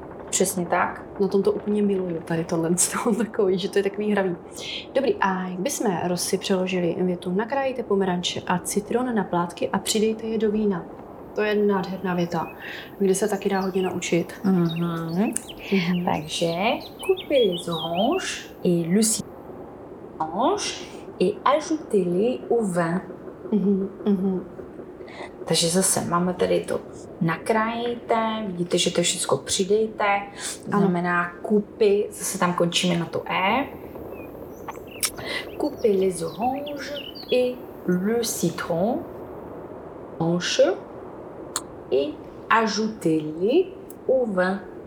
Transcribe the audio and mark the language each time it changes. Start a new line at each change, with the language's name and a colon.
Czech: Přesně tak. Na tom to úplně miluju, tady tohle z toho takový, že to je takový hravý. Dobrý, a jak bychom Rosy přeložili větu, nakrájíte pomeranče a citron na plátky a přidejte je do vína. To je nádherná věta, kde se taky dá hodně naučit. Mm-hmm. Takže
French: coupez les oranges et le citron et ajoutez-les au vin.
Czech: Takže zase máme tady to nakrájíte, vidíte, že to všechno přidejte, to znamená coupez, zase tam končíme na to E.
French: Coupez les oranges et le citron blanche et ajoutez-les au vin.